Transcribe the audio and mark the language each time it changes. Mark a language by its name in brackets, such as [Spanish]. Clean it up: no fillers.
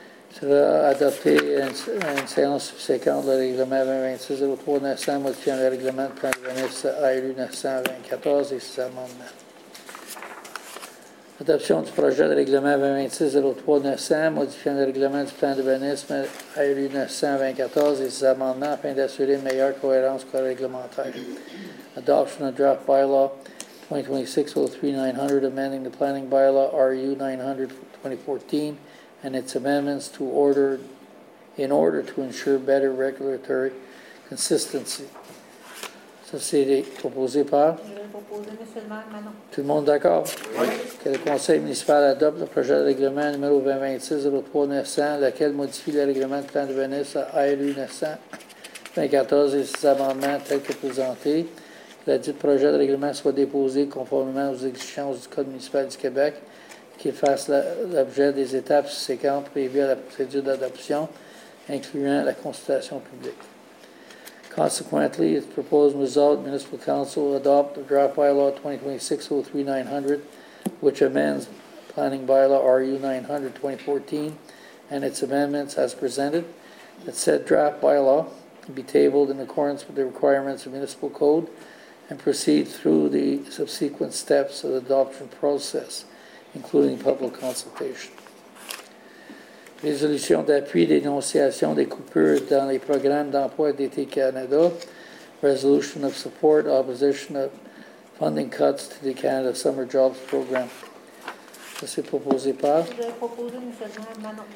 [French] Sera adopté en séance subséquente le règlement 2026-03-900 modifiant le règlement de plan d'urbanisme IRU 924 et ses amendements. Adoption du projet de règlement 2026-03-900 modifiant le règlement du plan d'urbanisme IRU 924 et ses amendements afin d'assurer une meilleure cohérence co-réglementaire. [English] Adoption of draft bylaw 2026-03-900 amending the planning bylaw RU 900-2014 and its amendments in order to ensure better regulatory consistency. [French] Ça, c'est proposé par? Je l'ai proposé, M. le maire, Manon. Tout le monde d'accord? Oui. Que le conseil municipal adopte le projet de règlement numéro 2026-03-900, lequel modifie le règlement de plan de Venise à IRU 924 et ses amendements tels que présentés. Que le dit projet de règlement soit déposé conformément aux exigences du Code municipal du Québec. Qu'il fasse l'objet des étapes subséquentes prévues à la procédure d'adoption, incluant la consultation publique. [English] Consequently, its proposed result, Municipal Council adopt the draft bylaw 2026-03-900, which amends planning bylaw RU 900-2014 and its amendments as presented, that said draft bylaw be tabled in accordance with the requirements of Municipal Code and proceed through the subsequent steps of the adoption process, including public consultation. [French] Résolution d'appui et dénonciation des coupures dans les programmes d'emploi d'Été Canada. [English] Resolution of support, opposition of funding cuts to the Canada Summer Jobs Program. [French] Ça, c'est proposé par? Je vais proposer, M. le maire, Manon.